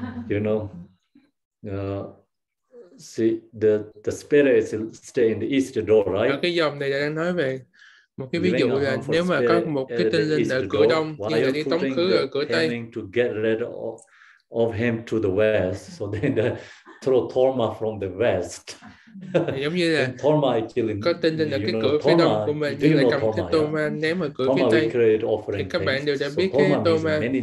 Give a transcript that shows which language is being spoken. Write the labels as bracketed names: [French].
[English] You know, see the spirit is stay in the east door, right? [Vietnamese] Ở cái dòng này đang nói về một cái ví dụ là nếu mà có một cái tinh linh ở cửa đông thì sẽ đi tống khứ ở cửa tây. [English] To get rid of him to the west, so then the throw torma from the west. [Vietnamese] Giống như là torma có tinh linh ở cái cửa phía đông của mình nhưng lại cầm cái torma ném ở cửa phía tây. Thì các bạn đều đã biết cái torma